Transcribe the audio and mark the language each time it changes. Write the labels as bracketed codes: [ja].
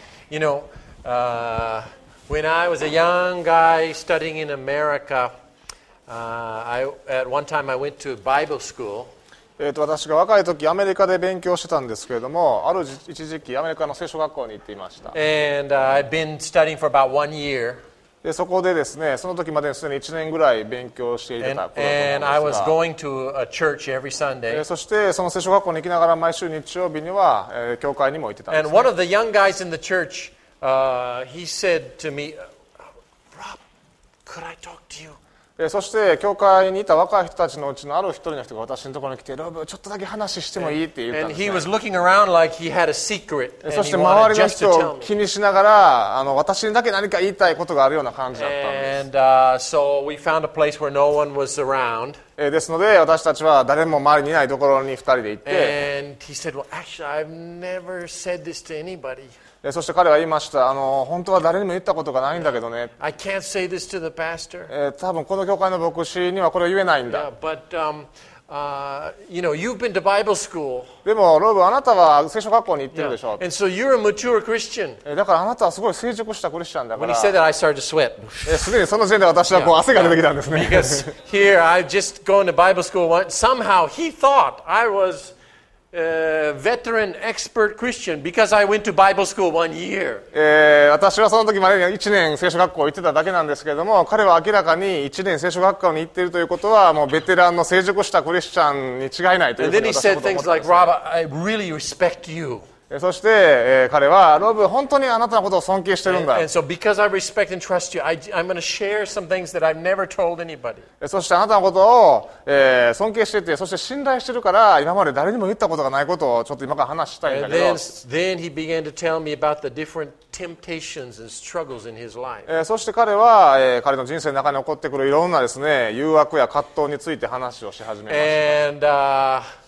[en] You know, when I was a young guy studying in America, I went to Bible school. [ja] 私が若い時アメリカで勉強してたんですけれども、ある一時期アメリカの聖書学校に行っていました。 [en] And I've been studying for about one year. [ja] でそこでですね、その時まですでに1年ぐらい勉強していた頃だと思うんですが、Sunday, そしてその聖書学校に行きながら毎週日曜日には、教会にも行ってたんですね。 [en] And one of the young guys in the church, he said to me, Rob, could I talk to you? [ja] そして教会にいた若い人たちのうちのある一人の人が私のところに来て、ロブちょっとだけ話してもいいって言ったんですね。 [en] And he was looking around like he had a secret. [ja] そして周りの人を気にしながら、私にだけ何か言いたいことがあるような感じだったんです。 [en] And so we found a place where no one was around. [ja] ですので私たちは誰も周りにいないところに二人で行って、 [en] And he said, well, actually, I've never said this to anybody. [ja] そして彼は言いました。本当は誰にも言ったことがないんだけどね。 [en] I can't say this to the pastor. [ja] 多分この教会の牧師にはこれを言えないんだ。 [en] Yeah, but, you know, you've been to Bible school. [ja] でもロブ、あなたは聖書学校に行ってるでしょ。 [en] Yeah. And so you're a mature Christian. [ja] だからあなたはすごい成熟したクリスチャンだから。 [en] When he said that, I started to sweat. [ja] すでにその時点で私はこう汗が出てきたんですね。 [en] Because here I've just gone to Bible school. Somehow he thought I was. Veteran expert Christian because I went to Bible school one year. [ja] 私はその時まで1年聖書学校行ってただけなんですけれども、彼は明らかに1年聖書学校に行っているということはもうベテランの成熟したクリスチャンに違いないというふうに私は思ってます。 [en] Like, Rob, I really respect you. [ja] そして、彼はロブ本当にあなたのことを尊敬してるんだ。 [en] And so because I respect and trust you, I'm going to share some things that I've never told anybody. [ja] そしてあなたのことを、尊敬してて、そして信頼してるから今まで誰にも言ったことがないことをちょっと今から話したいんだけど。 [en] Then he began to tell me about the different temptations and struggles in his life. [ja] そして彼は、彼の人生の中に起こってくるいろんなですね、誘惑や葛藤について話をし始めました。